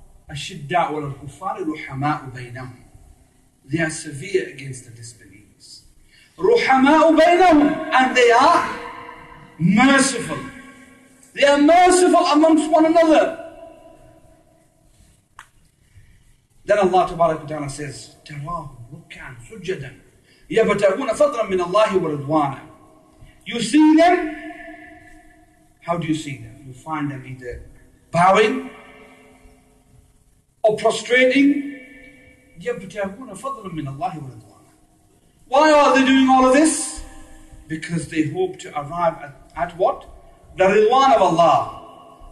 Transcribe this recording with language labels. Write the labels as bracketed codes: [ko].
[ar] أَشِدَّاءُ وَالْكُفَّارِ رُحَمَاءُ بَيْنَهُمْ [en] They are severe against the disbelievers. [ar] رُحَمَاءُ بَيْنَهُمْ [en] And they are merciful. They are merciful amongst one another. Then Allah Ta'ala says, [ar] تَرَاهُمْ رُكَّعًا سُجَّدًا يَبْتَغُونَ فَضْلًا مِنَ اللَّهِ وَرِضْوَانًا [en] You see them? How do you see them? You find them either bowing or prostrating. [ar] يَبْتَغُونَ فَضْلًا مِنَ اللَّهِ وَرِضْوَانًا [en] Why are they doing all of this? Because they hope to arrive at what? The Ridwan of Allah.